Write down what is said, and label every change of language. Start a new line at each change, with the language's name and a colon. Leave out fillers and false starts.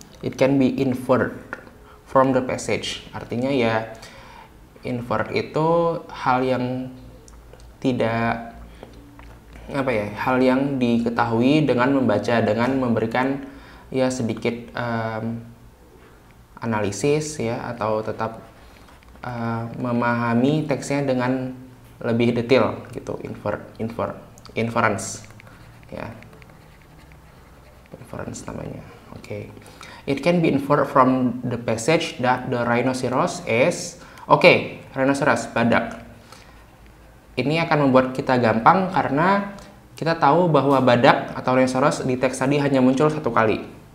English: It can be inferred from the passage.
Indonesian: Artinya ya, inferred itu hal yang tidak apa ya, hal yang diketahui dengan membaca, dengan memberikan ya sedikit analisis ya, atau tetap memahami teksnya dengan lebih detail gitu, inference ya, inference namanya. Oke, okay.
English: It can be inferred from the passage that the rhinoceros is okay, rhinoceros badak.
Indonesian: Ini akan membuat kita gampang karena kita tahu bahwa badak atau rhinoceros di teks tadi hanya muncul satu kali.